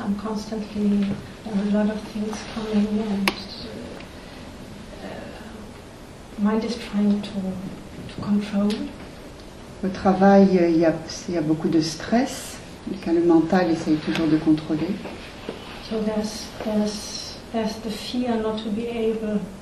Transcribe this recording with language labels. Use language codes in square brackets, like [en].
[en] I'm constantly, there are a lot of things coming, and mind is trying to control. [fr] Au travail, il y a beaucoup de stress, car le mental essaye toujours de contrôler. [en] So there's the fear not to be able.